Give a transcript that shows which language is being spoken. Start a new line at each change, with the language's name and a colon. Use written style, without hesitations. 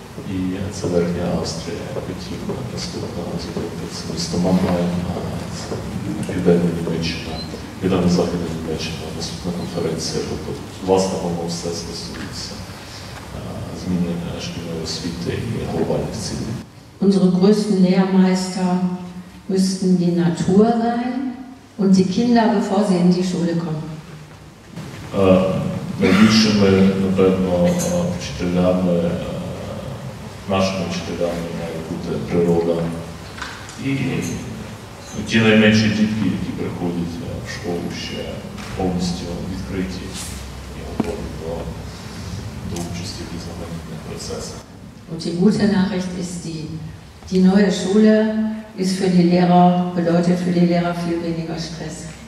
Ukrainian: І це Верхня Австрія, Петівна, наступна Азія, це місто Мамбайн, це Південна Німеччина, Південно-Західна Німеччина, наступна конференція. Тобто, власне, воно все стосується змінення шкільної освіти і глобальних цілей.
German: Unsere größten Lehrmeister müssten die Natur sein und die Kinder, bevor sie in die Schule kommen.
Ukrainian: Найбільшими, напевно, вчителями, нашими вчителями має бути природа. І ті найменші дітки, які приходять в школу, ще повністю відкриті і готові до участі в різноманітних процесах.
German: Und die gute Nachricht ist die neue Schule ist für die Lehrer, bedeutet für die Lehrer viel weniger Stress.